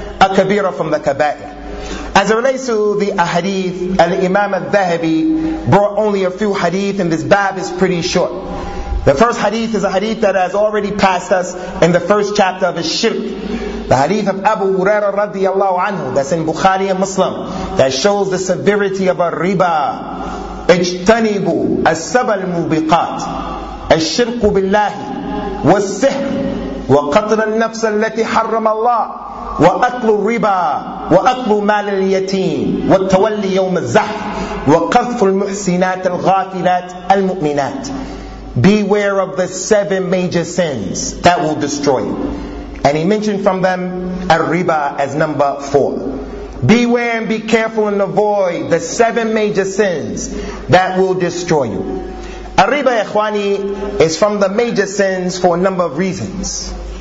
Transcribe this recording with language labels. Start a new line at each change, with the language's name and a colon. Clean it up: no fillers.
English: A kabira from the kaba'ir. As it relates to the ahadith, Al-Imam al-Dhahabi brought only a few hadith and this bab is pretty short. The first hadith is a hadith that has already passed us in the first chapter of al-Shirk. The hadith of Abu Huraira radiallahu anhu, that's in Bukhari and Muslim, that shows the severity of a riba.
Arabic: اجتنبوا السبع المبقات الشرك بالله والسحر وقتل النفس التي حرم الله وَأَكْلُ الرِّبَى وَأَكْلُ مَالِ الْيَتِيمِ وَالتَّوَلِّي يَوْمَ الزَّحْفِ وَقَذْفُ الْمُحْسِنَاتِ الْغَافِلَاتِ الْمُؤْمِنَاتِ.
English: Beware of the seven major sins that will destroy you. And he mentioned from them al-riba as number four. Beware and be careful and avoid the seven major sins that will destroy you. Al-riba, ikhwani, is from the major sins for a number of reasons.